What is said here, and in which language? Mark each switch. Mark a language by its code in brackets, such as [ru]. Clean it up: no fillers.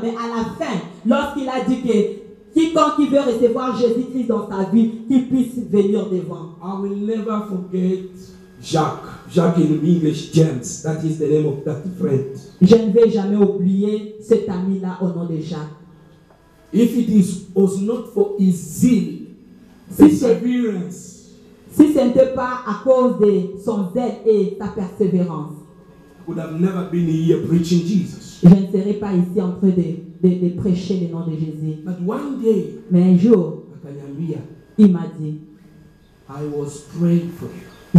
[fr] Mais à la fin, lorsqu'il a dit que quiconque veut recevoir Jésus-Christ dans sa vie, qu'il puisse venir devant. [en] I will never forget Jacques. Jacques in English, James. That is the name of that friend. [fr] Je ne vais jamais oublier cet ami-là au nom de Jacques. [en] If it is was not for his zeal, perseverance. [fr] Si ce n'était pas à cause de son zèle et sa persévérance, [en] would have never been here preaching Jesus. [fr] Je ne serais pas ici en train de prêcher le nom de Jésus. [en] But one day, [fr] mais un jour, [sw] Akanyambia, [fr] il m'a dit, [en] I was praying for you.